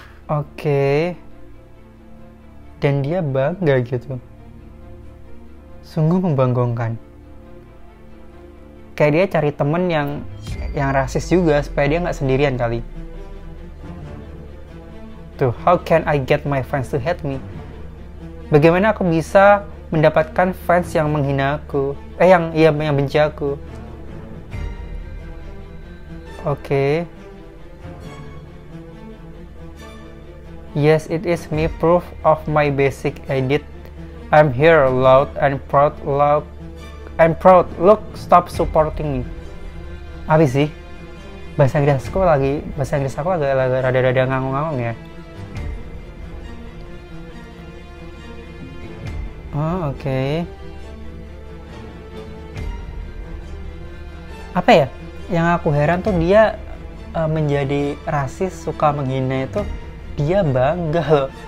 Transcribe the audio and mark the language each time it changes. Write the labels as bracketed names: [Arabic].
[Indonesian] Oke. Dan dia bangga gitu. Sungguh membanggakan. Kayak dia cari teman yang rasis juga supaya dia enggak sendirian kali. [English] Tuh, how can I get my friends to hate me? [Indonesian] Bagaimana aku bisa mendapatkan fans yang menghina aku? Yang benci aku. Oke. [English] Okay. Yes, it is me, proof of my basic edit. I'm here loud and proud, Look, stop supporting me. [Indonesian] Apa sih? Bahasa Inggris aku agak rada-rada ngangung-ngangung ya. Oh, oke. Okay. Apa ya? Yang aku heran tuh dia menjadi rasis, suka menghina itu, dia bangga loh.